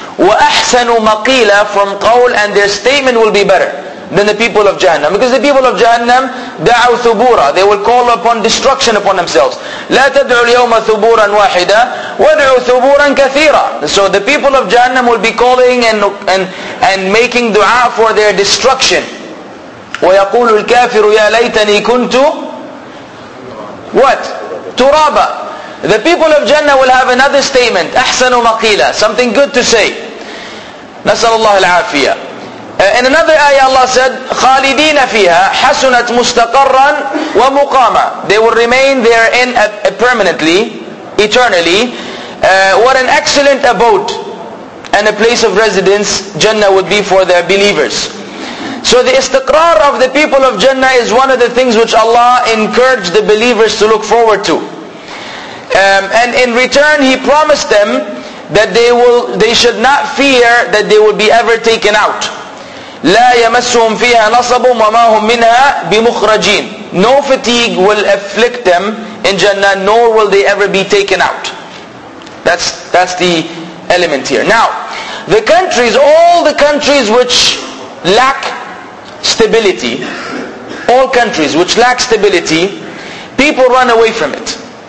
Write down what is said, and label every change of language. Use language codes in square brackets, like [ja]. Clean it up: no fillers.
[ar] وَأَحْسَنُ مَقِيلًا [en] from قول, and their statement will be better than the people of Jahannam. Because the people of Jahannam, [ar] دَعَوْ ثُبُورًا, [en] they will call upon destruction upon themselves. [ar] لَا تَدْعُوا الْيَوْمَ ثُبُورًا وَاحِدًا وَدْعُوا ثُبُورًا كَثِيرًا. [en] So the people of Jahannam will be calling and making dua for their destruction. [ar] ويقول الكافر يا ليتني كنت [en] what [ar] ترابا. [en] The people of Jannah will have another statement, [ar] أحسن مقيلة, [en] something good to say. [ar] نسأل الله العافية. [en] In another ayah, Allah said, [ar] خالدين فيها حسنت مستقرا ومقاما. [en] They will remain therein permanently, eternally. What an excellent abode and a place of residence Jannah would be for their believers. So the istiqrar of the people of Jannah is one of the things which Allah encouraged the believers to look forward to. And in return, He promised them that they should not fear that they will be ever taken out. [ar] لا يمسهم فيها نصب وما هم منها بمخرجين. [en] No fatigue will afflict them in Jannah, nor will they ever be taken out. That's the element here. Now, the countries, all the countries which lack stability, all countries which lack stability, people run away from it.